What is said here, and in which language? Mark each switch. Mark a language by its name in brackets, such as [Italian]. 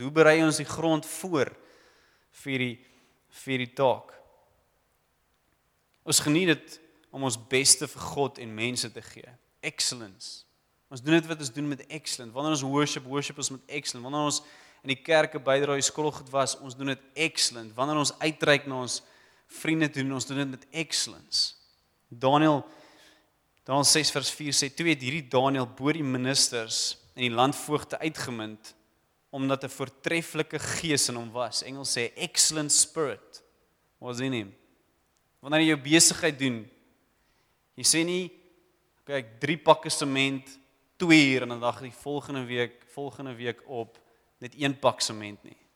[Afrikaans] Hoe berei ons die grond voor vir die taak? Ons geniet dit om ons beste vir God en mense te gee. Excellence. Ons doen dit wat ons doen met excellence. Wanneer ons worship ons met excellence. Wanneer ons in die kerke bydra, die skool goed was, ons doen dit excellence. Wanneer ons uitreik na ons vriende toe, ons doen dit met excellence. Daniël 6 vers 4 sê, toe het hierdie Daniël bo die ministers en die landvoogte uitgemind, omdat 'n voortreffelike gees in hom was. Engels sê, [English] excellent spirit was in him. [Afrikaans] Wanneer jy jou besigheid doen, jy sê nie, kyk, 3 pakke sement, 2 uur, en dan dacht jy volgende week op, net 1 pak sement nie.